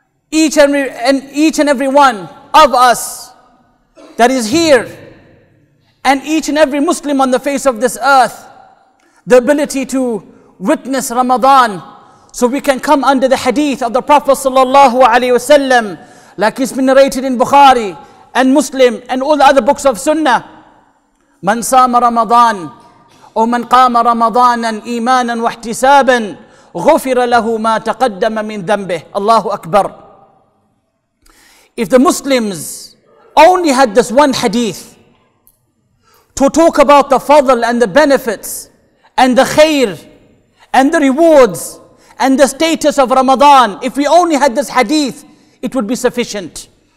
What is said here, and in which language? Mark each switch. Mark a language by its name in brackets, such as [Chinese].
[English] each and every one of us that is here and each and every Muslim on the face of this earth the ability to witness Ramadan so we can come under the hadith of the Prophet sallallahu alayhi wasallam like it's been narrated in Bukhari and Muslim and all the other books of Sunnah. Man sama Ramadan [Arabic] وَمَنْ قَامَ رَمَضَانًا إِيمَانًا وَاحْتِسَابًا غُفِرَ لَهُ مَا تَقَدَّمَ مِنْ ذَنْبِهِ [English] Allahu Akbar. If the Muslims only had this one hadith to talk about the fadl and the benefits and the khair and the rewards and the status of Ramadan, if we only had this hadith, it would be sufficient.